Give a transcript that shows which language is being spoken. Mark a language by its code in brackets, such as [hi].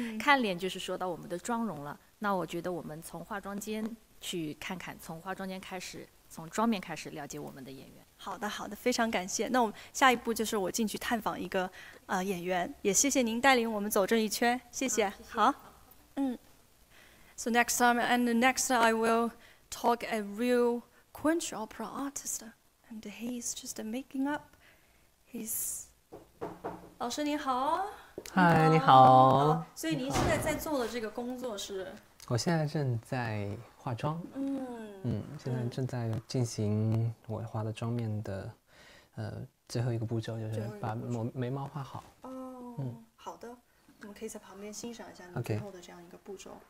[zh] 看脸就是说到我们的妆容了。那我觉得我们从化妆间去看看，从化妆间开始，从妆面开始了解我们的演员。好的，好的，非常感谢。那我们下一步就是我进去探访一个演员，也谢谢您带领我们走这一圈，谢谢。好， [en] So next time and the next time I will talk a real Kunqu opera artist, and he's just making up his. [zh] 老师您好。嗨，你好。所以您现在在做的这个工作是？我现在正在化妆。现在正在进行我画的妆面的，最后一个步骤就是把眉毛画好。好的，我们可以在旁边欣赏一下你最后的这样一个步骤。